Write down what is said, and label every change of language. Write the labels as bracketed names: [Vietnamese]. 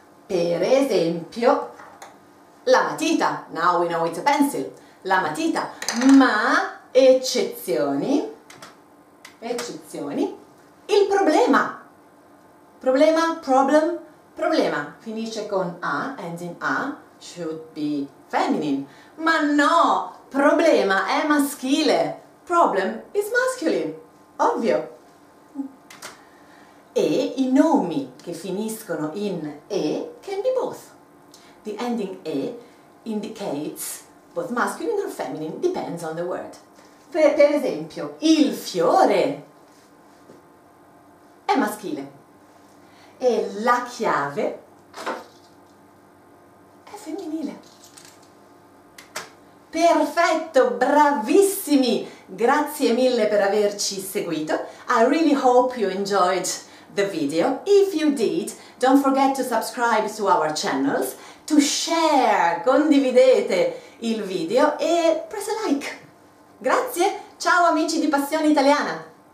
[Italian] Per esempio, la matita, [English] now we know it's a pencil, [Italian] la matita, ma eccezioni, eccezioni, il problema, problema, problem, problema, finisce con A, [English] ends in A, should be feminine, [Italian] ma no, problema è maschile, [English] problem is masculine, [Italian] ovvio. E i nomi che finiscono in E [English] can be both. The ending E indicates both masculine or feminine, depends on the word. [Italian] Per esempio, il fiore è maschile e la chiave è femminile. Perfetto, bravissimi! Grazie mille per averci seguito. [English] I really hope you enjoyed the video. If you did, don't forget to subscribe to our channels. To share, [Italian] condividete il video e [English] press a like. [Italian] Grazie, ciao amici di Passione Italiana.